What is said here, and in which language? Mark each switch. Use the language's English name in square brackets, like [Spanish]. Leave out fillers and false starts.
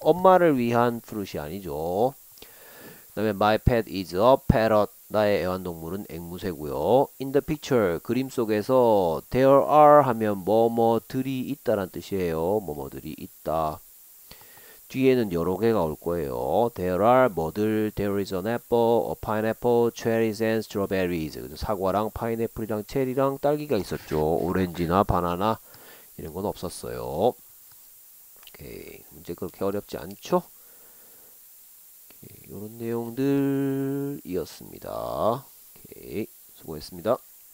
[Korean] 엄마를 위한 fruit이 아니죠. 그다음에 [English] my pet is a parrot. [Korean] 나의 애완동물은 앵무새고요. [English] In the picture, [Korean] 그림 속에서 [English] there are [Korean] 하면 뭐뭐들이 있다란 뜻이에요. 뭐뭐들이 있다. 뒤에는 여러 개가 올 거예요. [English] There are 뭐들, there is an apple, a pineapple, cherries and strawberries. [Korean] 사과랑 파인애플이랑 체리랑 딸기가 있었죠. 오렌지나 바나나 이런 건 없었어요. 오케이. 문제 그렇게 어렵지 않죠? 이런 내용들이었습니다. 오케이. 수고했습니다.